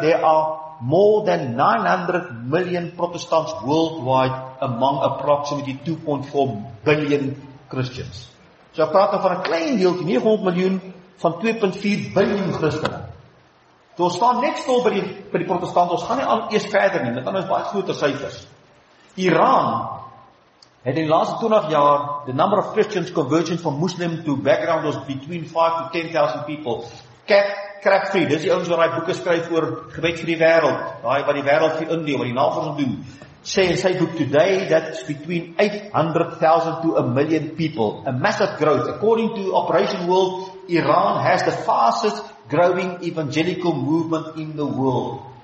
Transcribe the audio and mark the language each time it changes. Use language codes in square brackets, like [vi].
[en] There are more than 900 million Protestants worldwide among approximately 2.4 billion Christians. [af] So ek praat van 'n klein deeltjie, 900 miljoen van 2.4 billion Christene. So ons staan net stil by die protestante, ons gaan nie al eers verder nie, dit is baie groter syfers. [en] Iran [af] het in die laaste 20 jaar [en] the number of Christians conversion from Muslim to background was between 5 to 10,000 people. [af] Crack-free, dis die ouens wat daai boeke skryf oor gebed vir die wêreld, daai wat die wêreld vir indien, wat die navorsing doen. Sê in sy boek [en] today that between 800,000 to a million people, a massive growth. According to Operation World, Iran has the fastest growing evangelical movement in the world.